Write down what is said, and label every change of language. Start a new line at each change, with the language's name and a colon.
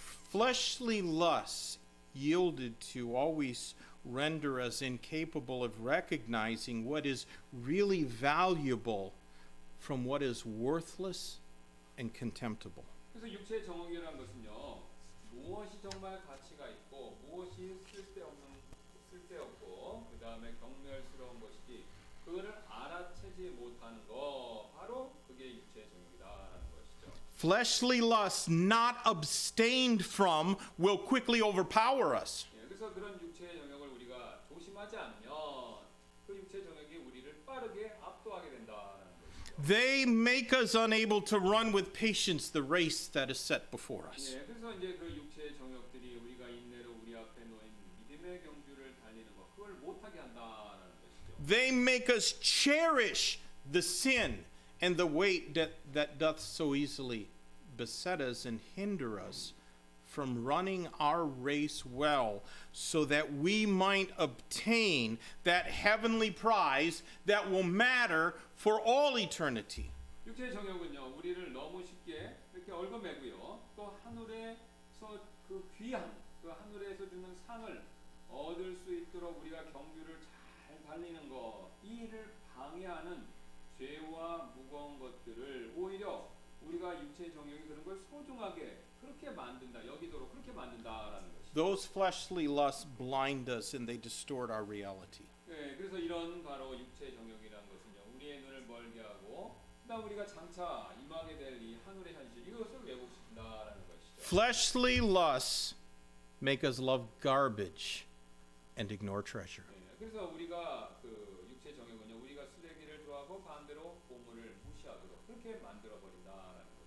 English: Fleshly lusts yielded to always render us incapable of recognizing what is really valuable from what is worthless and contemptible.
Korean: 그래서 육체의 정욕이라는 것은요, 무엇이 정말 가치가 있고 무엇이 쓸데없는 쓸데없고 그 다음에 경멸스러운 것이지 그거를 알아채지 못하는 거 바로 그게 육체의 정욕이다라는 것이죠.
English: Fleshly lusts not abstained from will quickly overpower us.
Korean: 예, 그래서 그런 육체의 정욕을 우리가 조심하지 않으면 그 육체의 정욕이 우리를 빠르게 압도하게 된다.
English: They make us unable to run with patience the race that is set before us.
Korean: 예, 그래서 이제 그 육체의 정욕들이 우리가 인내로 우리 앞에 놓인 믿음의 경주를 달리는 것 그걸 못하게 한다라는 것이죠.
English: They make us cherish the sin and the weight that doth so easily beset us and hinder us from running our race well, so that we might obtain that heavenly prize that will matter for all eternity.
Korean: 육체의 정욕은요, 우리를 너무 쉽게 이렇게 얽어매고요, 또 하늘에서 그 귀한 그 하늘에서 주는 상을 얻을 수 있도록 우리가 경주를 잘 달리는 거 이 일을 방해하는 죄와 무거운 것들을 오히려 우리가 육체의 정욕이 그런 걸 소중하게 그렇게 만든다, 여기도록 그렇게 만든다라는 것이.
English: Those fleshly lusts blind us and they distort our reality.
Korean: 예, 그래서 이런 바로 육체의 정욕이라는 것은요, 우리의 눈을 멀게 하고, 그다음 우리가 장차 임하게 될 이 하늘의 현실 이것을 왜곡시킨다라는 것이죠.
English: Fleshly lusts make us love garbage and ignore treasure.
Korean: 예, 그래서 우리가 그 육체의 정욕은요, 우리가 쓰레기를 좋아하고 반대로 보물을 무시하도록 그렇게 만들어 버린다라는.